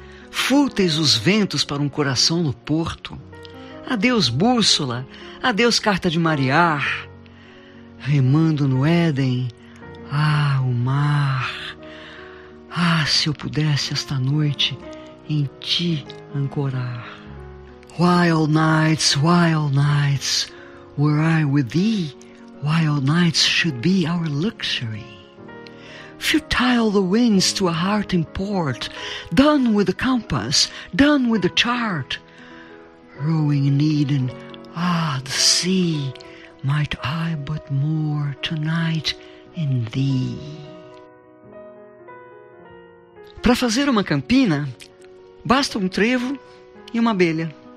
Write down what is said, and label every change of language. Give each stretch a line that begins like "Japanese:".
Portuguese: Fúteis os ventos para um coração no porto, adeus bússola, adeus carta de marear. Remando no Éden, ah, o mar, ah, se eu pudesse esta noite em ti ancorar.
English: Wild nights, were I with thee, wild nights should be our luxury. Futile the winds to a heart in port, done with the compass, done with the chart. Rowing in Eden, ah, the sea, might I but moor tonight in thee.
Portuguese: Para fazer uma campina, basta um trevo e uma abelha.